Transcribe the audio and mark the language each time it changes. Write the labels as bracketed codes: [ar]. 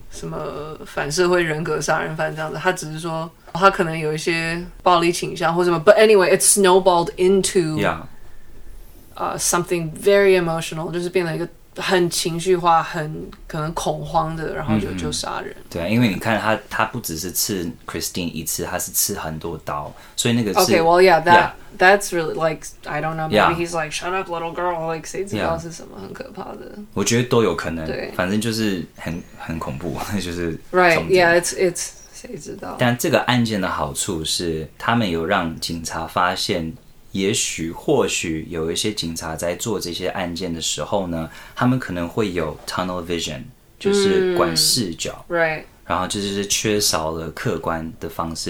[zh] 什么反社会人格杀人犯这样子，他只是说他可能有一些暴力倾向或什么， [en] but anyway it snowballed into、 yeah. Something very emotional， [zh] 就是变成一个很情绪化，很可能恐慌的，然后就杀人。对啊，因为你看他不只是刺 Christine 一次，他是刺很多刀，所以那个是 [en] OK well yeah that、yeah. that's really like I don't know maybe、yeah. he's like shut up little girl like [zh] 谁知道是什么、 [en] yeah. [zh] 很可怕的，我觉得都有可能，对，反正就是很恐怖，就是 [en] right yeah it's [zh] 谁知道。但这个案件的好处是他们有让警察发现，也许或许有一些警察在做这些案件的时候呢，他们可能会有 tunnel vision， 就是管视角、嗯、right，然后就是缺少了客观的方式，